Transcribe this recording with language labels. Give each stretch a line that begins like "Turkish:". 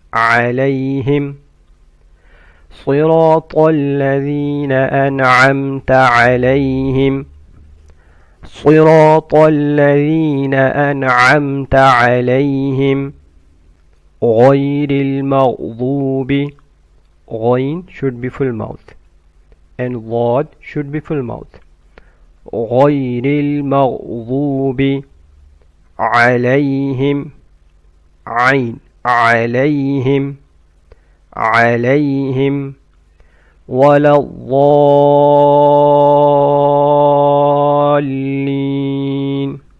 Arabic: عليهم صراط الذين أنعمت عليهم. صراط الذين أنعمت عليهم غير المغضوب.
English: غين should be full mouth and ضاد should be full mouth.
Arabic: غير المغضوب عليهم عين عليهم عليهم ولا الضالين.